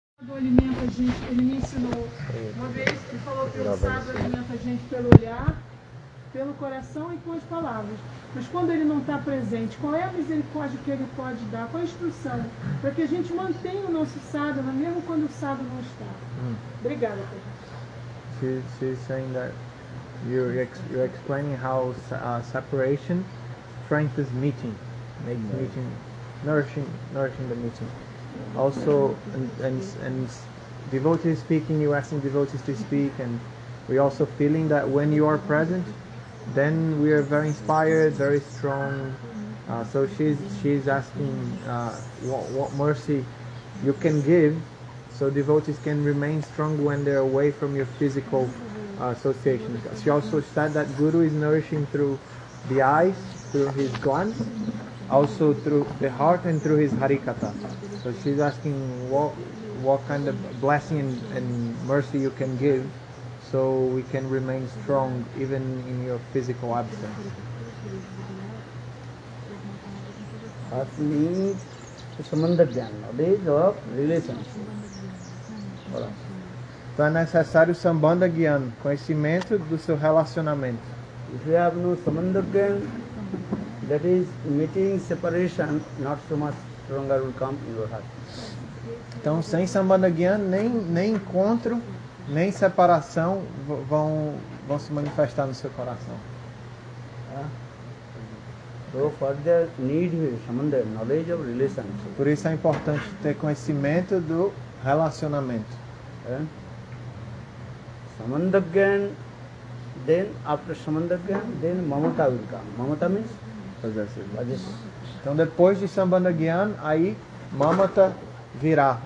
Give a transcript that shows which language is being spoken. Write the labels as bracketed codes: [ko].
[pt] Do alimento a gente, ele me ensinou uma vez, ele falou que o sábio alimenta a gente pelo olhar, pelo coração e com as palavras. Mas quando ele não está presente, qual é a misericórdia que ele pode dar? Qual a instrução? Para que a gente mantenha o nosso sábio, mesmo quando o sábio não está. Obrigada, Pedro. [en] She's saying that you're explaining how separation strengthens meeting, makes meeting nourishing the meeting. Also, and devotees speaking, you're asking devotees to speak, and we're also feeling that when you are present, then we are very inspired, very strong. So she's asking what mercy you can give, so devotees can remain strong when they're away from your physical association. She also said that Guru is nourishing through the eyes, through his glance, also through the heart and through his Harikatha. So she's asking what kind of blessing and mercy you can give so we can remain strong even in your physical absence. Heart means the samandha jnana, base of relationship. [pt] Então é necessário o sambandha jnana, conhecimento do seu relacionamento. [en] If you have no samandha jnana, that is meeting separation, not so much stronger will come in your heart. [pt] Então sem sambandha jnana, nem encontro, nem separação vão se manifestar no seu coração. [en] So for the need of samandha, knowledge of relationship. [pt] Por isso é importante ter conhecimento do relacionamento. [en] Samandha jnana, then after samandha jnana, then mamata will come. Mamata means possessive. [pt] Então depois de sambandha jnana, aí mamata virá.